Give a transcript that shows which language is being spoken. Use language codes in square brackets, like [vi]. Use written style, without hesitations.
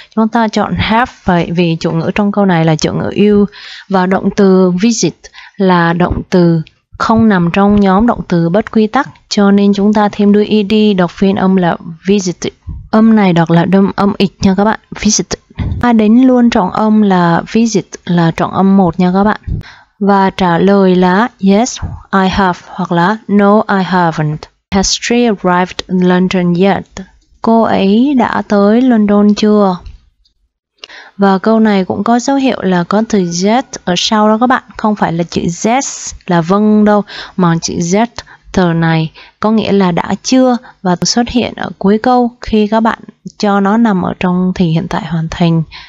[vi] Chúng ta chọn have vậy vì chủ ngữ trong câu này là chủ ngữ you, và động từ visit là động từ không nằm trong nhóm động từ bất quy tắc, cho nên chúng ta thêm đuôi ed đọc phiên âm là visit. Âm này đọc là đâm âm ịch nha các bạn, visit. Ta đến luôn trọng âm là visit là trọng âm 1 nha các bạn. Và trả lời là [en] yes I have [vi] hoặc là [en] no I haven't. Has she arrived in London yet? [vi] Cô ấy đã tới London chưa? Và câu này cũng có dấu hiệu là có từ Z ở sau đó các bạn. Không phải là chữ Z là vâng đâu, mà chữ Z từ này có nghĩa là đã chưa, và xuất hiện ở cuối câu khi các bạn cho nó nằm ở trong thì hiện tại hoàn thành.